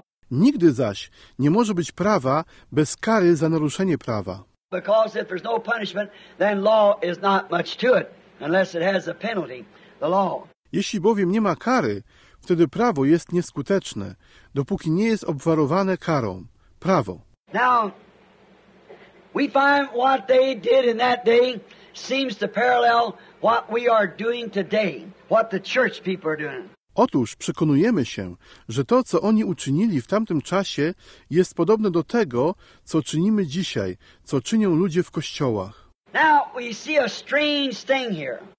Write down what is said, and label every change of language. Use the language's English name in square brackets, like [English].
[Polish] Nigdy zaś nie może być prawa bez kary za naruszenie prawa. [English] Because if there's no punishment, then law is not much to it, unless it has a penalty, the law. [Polish] Jeśli bowiem nie ma kary, wtedy prawo jest nieskuteczne, dopóki nie jest obwarowane karą. Prawo. [English] Now, we find what they did in that day seems to parallel what we are doing today, what the church people are doing. [Polish] Otóż przekonujemy się, że to, co oni uczynili w tamtym czasie, jest podobne do tego, co czynimy dzisiaj, co czynią ludzie w kościołach. [English] Now we see a strange thing here.